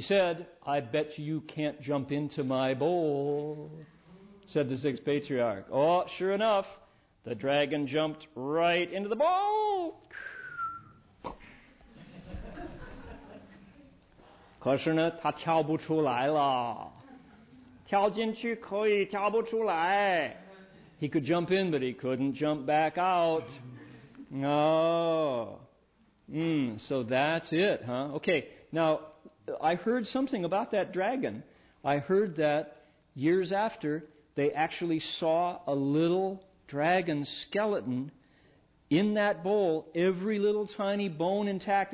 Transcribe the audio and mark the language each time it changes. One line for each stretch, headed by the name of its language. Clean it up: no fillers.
English: said, "I bet you can't jump into my bowl," said the sixth patriarch. Oh, sure enough, the dragon jumped right into the bowl.
Chinese: 可是呢，他跳不出来了。跳进去可以，跳不出来。He
English: could jump in, but he couldn't jump back out. No. So that's it, huh? Okay. Now, I heard something about that dragon. I heard that years after, they actually saw a little dragon skeleton in that bowl, every little tiny bone intact.